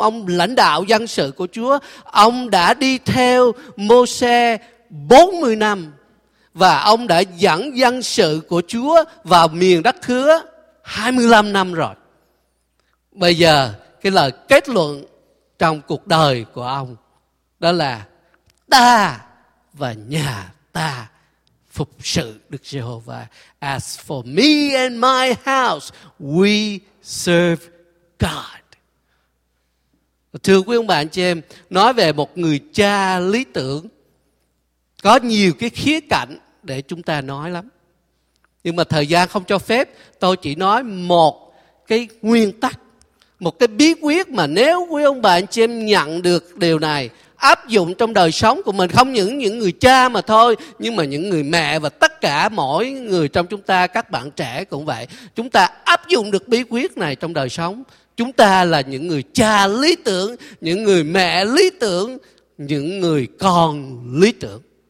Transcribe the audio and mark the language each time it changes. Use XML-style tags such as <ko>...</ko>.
<vi>Ông lãnh đạo dân sự của Chúa, ông đã đi theo Mô-sê 40 năm và ông đã dẫn dân sự của Chúa vào miền đất hứa 25 năm rồi. Bây giờ cái lời kết luận trong cuộc đời của ông đó là ta và nhà ta phục sự Đức Giê-hô-va.</vi> <en>As for me and my house, we serve God.</en> <vi>Thưa quý ông bà anh chị em, nói về một người cha lý tưởng có nhiều cái khía cạnh để chúng ta nói lắm. Nhưng mà thời gian không cho phép, tôi chỉ nói một cái nguyên tắc, một cái bí quyết mà nếu quý ông bà anh chị em nhận được điều này, áp dụng trong đời sống của mình, không những người cha mà thôi, nhưng mà những người mẹ và tất cả mỗi người trong chúng ta, các bạn trẻ cũng vậy, chúng ta áp dụng được bí quyết này trong đời sống, chúng ta là những người cha lý tưởng, những người mẹ lý tưởng, những người con lý tưởng.</vi>